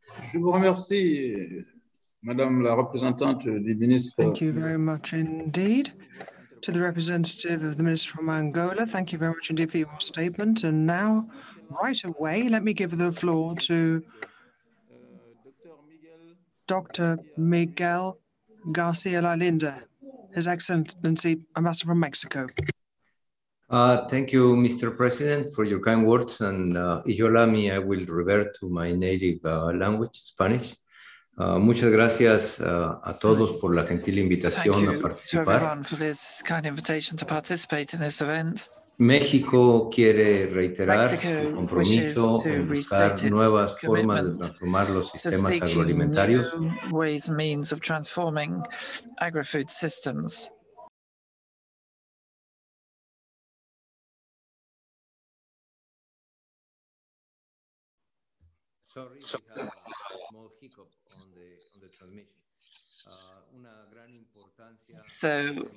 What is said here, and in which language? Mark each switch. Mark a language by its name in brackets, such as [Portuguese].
[French] Je vous remercie, Madame la représentante du ministre. [English] Thank you very much indeed. To the representative of the Minister from Angola, thank you very much indeed for your statement. And now, right away, let me give the floor to Dr. Miguel Garcia Lalinda, His Excellency Ambassador from Mexico. Thank you, Mr. President, for your kind words. And if you allow me, I will revert to my native language, Spanish. [Spanish] Muchas gracias a todos por la gentil invitación a participar. [English] Thank you for this kind invitation to participate in this event. [Spanish] México quiere reiterar su compromiso en buscar nuevas formas de transformar los sistemas agroalimentarios. [English] New ways and means of transforming agri-food systems. Sorry.